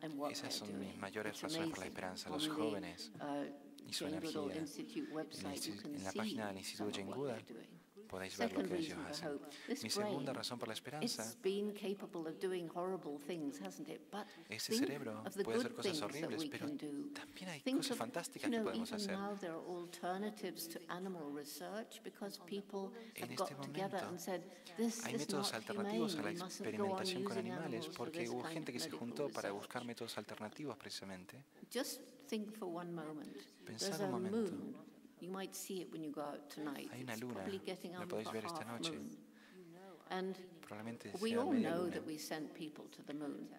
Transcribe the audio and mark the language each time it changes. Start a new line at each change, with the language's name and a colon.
Spanish: Esas son mis mayores razones por la esperanza. Los jóvenes y su energía. En la página del Instituto Jane Goodall podéis ver lo que ellos hacen. Mi segunda razón por la esperanza. Ese cerebro puede hacer cosas horribles, pero también hay cosas fantásticas que podemos hacer.
English: Now there are alternatives to animal research because people have got together and said,
Spanish: hay métodos alternativos a la experimentación con animales porque hubo gente que se juntó para buscar métodos alternativos precisamente.
English: Just think for one moment.
Spanish: Pensad un momento.
English: You might see it when you go out tonight.
Spanish: Hay una luna. La podéis ver esta noche. Probablemente
English: we all know that we sent people to the moon.